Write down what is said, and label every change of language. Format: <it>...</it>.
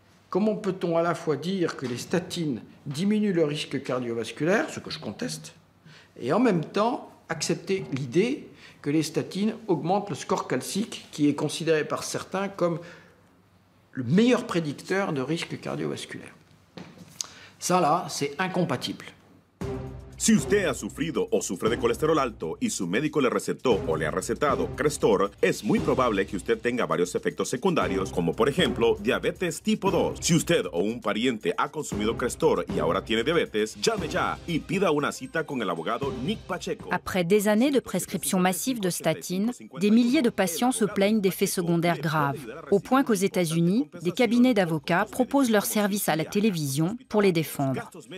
<fr>Comment peut-on à la fois dire que les statines diminuent le risque cardiovasculaire, ce que je conteste, et en même temps accepter l'idée que les statines augmentent le score calcique, qui est considéré par certains comme le meilleur prédicteur de risque cardiovasculaire. Ça, là, c'est incompatible.</fr> <es>Si usted ha sufrido o sufre de colesterol alto y su médico le recetó o le ha recetado Crestor, es muy probable que usted tenga varios efectos secundarios, como por ejemplo, diabetes tipo 2. Si usted o un pariente ha consumido Crestor y ahora tiene diabetes, llame ya y pida una cita con el abogado Nick Pacheco.</es> <fr>Après des années de prescription massive de statines, des milliers de patients se plaignent d'effets secondaires graves, au point qu'aux États-Unis, des cabinets d'avocats proposent leurs services à la télévision pour les défendre.</fr>